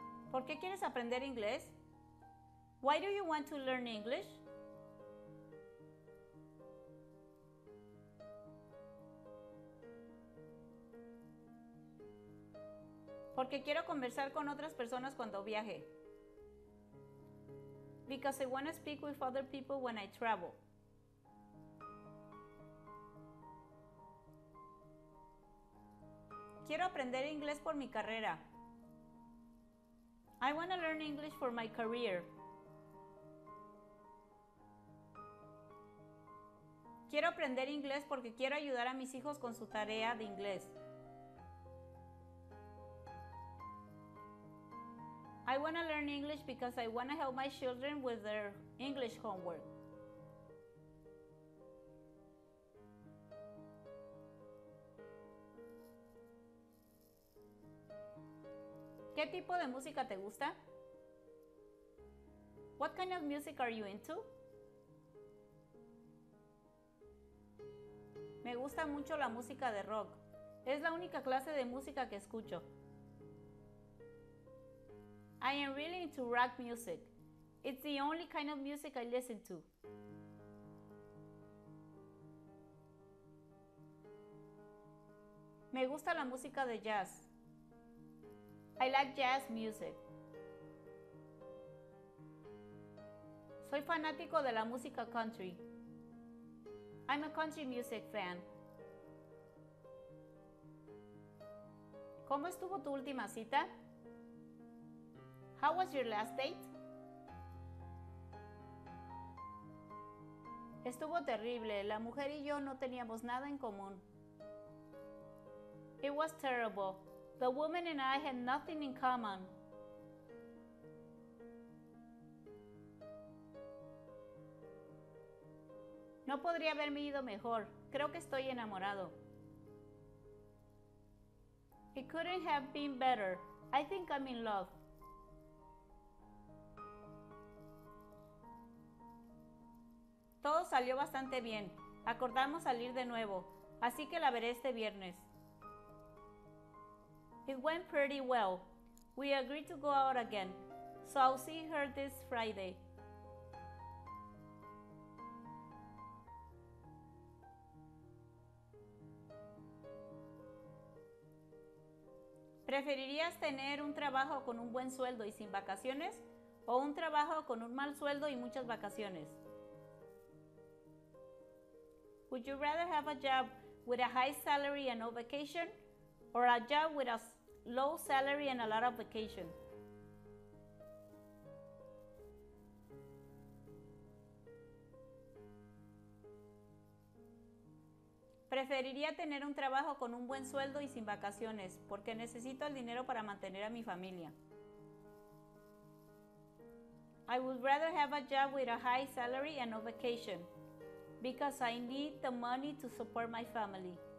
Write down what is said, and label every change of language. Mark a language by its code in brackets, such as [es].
[es] ¿Por qué quieres aprender inglés? [en] Why do you want to learn English? [es] Porque quiero conversar con otras personas cuando viaje. [en] Because I want to speak with other people when I travel. [es] Quiero aprender inglés por mi carrera. [en] I want to learn English for my career. [es] Quiero aprender inglés porque quiero ayudar a mis hijos con su tarea de inglés. [en] I want to learn English because I want to help my children with their English homework. [es] ¿Qué tipo de música te gusta? [en] What kind of music are you into? [es] Me gusta mucho la música de rock. Es la única clase de música que escucho. [en] I am really into rock music. It's the only kind of music I listen to. [es] Me gusta la música de jazz. [en] I like jazz music. [es] Soy fanático de la música country. [en] I'm a country music fan. [es] ¿Cómo estuvo tu última cita? [en] How was your last date? [es] Estuvo terrible. La mujer y yo no teníamos nada en común. [en] It was terrible. The woman and I had nothing in common. [es] No podría haberme ido mejor. Creo que estoy enamorado. [en] It couldn't have been better. I think I'm in love. [es] Todo salió bastante bien. Acordamos salir de nuevo, así que la veré este viernes. [en] It went pretty well. We agreed to go out again, so I'll see her this Friday. [es] ¿Preferirías tener un trabajo con un buen sueldo y sin vacaciones o un trabajo con un mal sueldo y muchas vacaciones? [en] Would you rather have a job with a high salary and no vacation, or a job with a low salary and a lot of vacation? [es] Preferiría tener un trabajo con un buen sueldo y sin vacaciones, porque necesito el dinero para mantener a mi familia. [en] I would rather have a job with a high salary and no vacation, because I need the money to support my family.